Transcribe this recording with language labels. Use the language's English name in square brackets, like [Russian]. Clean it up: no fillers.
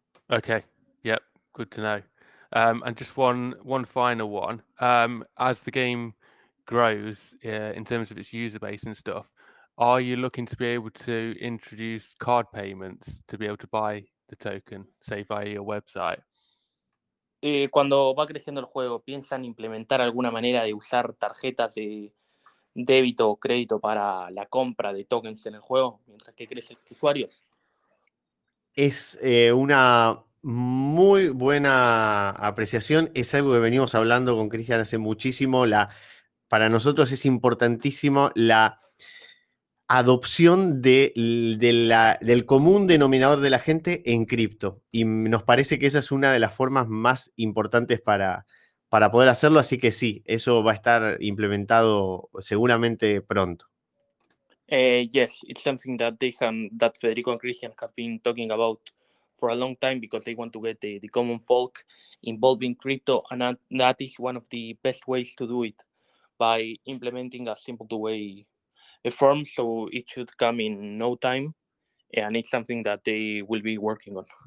[English] Okay, yep, good to know. And just one final one. As the game grows in terms of its user base and stuff, are you looking to be able to introduce card payments to be able to buy the token, say via your website? [Spanish] Cuando va creciendo el juego, ¿piensan implementar alguna manera de usar tarjetas de débito o crédito para la compra de tokens en el juego mientras que crecen los usuarios? Es una muy buena apreciación. Es algo que venimos hablando con Cristian hace muchísimo. Para nosotros es importantísimo la adopción del común denominador de la gente en cripto. Y nos parece que esa es una de las formas más importantes para poder hacerlo. Así que sí, eso va a estar implementado seguramente pronto. [English] Yes, it's something that they that Federico and Christian have been talking about for a long time, because they want to get the common folk involved in crypto, and that is one of the best ways to do it, by implementing a simple way a form, so it should come in no time, and it's something that they will be working on.